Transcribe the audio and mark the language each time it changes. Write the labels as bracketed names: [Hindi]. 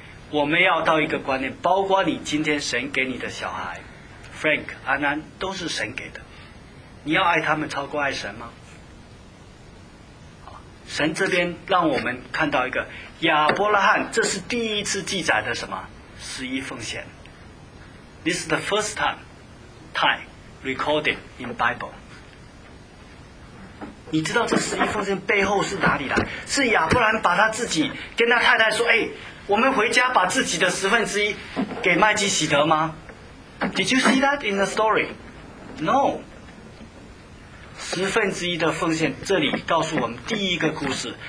[Chinese] 我们要到一个观念，包括你今天神给你的小孩 Frank 安安都是神给的，你要爱他们超过爱神吗？神这边让我们看到一个亚伯拉罕，这是第一次记载的什么十一奉献。 [English] This is the first time recorded in Bible。 [Chinese] 你知道这十一奉献背后是哪里来？是亚伯兰把他自己跟他太太说，哎，我们回家把自己的十分之一给麦基洗德吗？ [English] Did you see that in the story? No。 [Chinese] 十分之一的奉献，这里告诉我们第一个故事。